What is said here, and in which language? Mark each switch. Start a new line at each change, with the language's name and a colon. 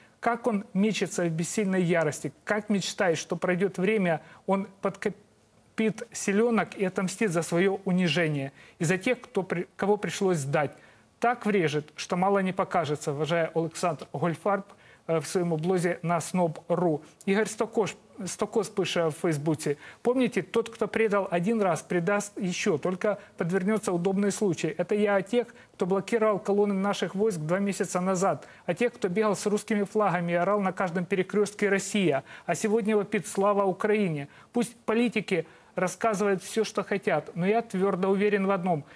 Russian: Как он мечется в бессильной ярости, как мечтает, что пройдет время, он подкопит силенок и отомстит за свое унижение и за тех, кого пришлось сдать. Так врежет, что мало не покажется, уважая Олександр Гольфарб,
Ukrainian: в своєму блозі на Snob.ru. Ігор Стокос пише в Фейсбуці.
Russian: Помните, тот, кто предал один раз, предаст еще, только подвернется удобный случай. Это я о тех, кто блокировал колонны наших войск 2 месяца назад, о тех, кто бегал с русскими флагами и орал на каждом перекрестке «Россия», а сегодня вопит «Слава Украине». Пусть политики рассказывают все, что хотят, но я твердо уверен в одном.